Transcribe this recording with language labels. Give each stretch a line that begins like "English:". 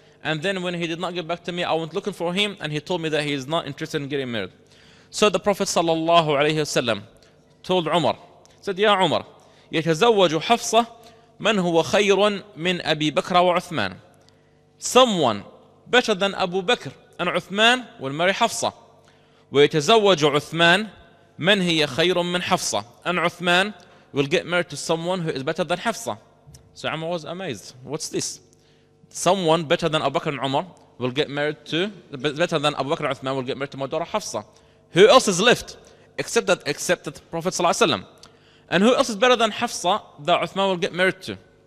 English: And then when he did not get back to me, I went looking for him, and he told me that he is not interested in getting married. So the Prophet sallallahu alayhi wasallam told Umar, said, Ya Umar,
Arabic: يتزوج حفصة من هو خير من أبي بكر وعثمان.
English: Someone better than Abu Bakr and Uthman will marry Hafsa.
Arabic: ويتزوج عثمان من هي خير من حفصة.
English: And Uthman will get married to someone who is better than Hafsa. So Umar was amazed. What's this? Someone better than Abu Bakr and Umar will get married to, better than Abu Bakr and Uthman will get married to my daughter Hafsa. Who else is left? Except that the Prophet صلى الله عليه وسلم. And who else is better than Hafsa that Uthman will get married to?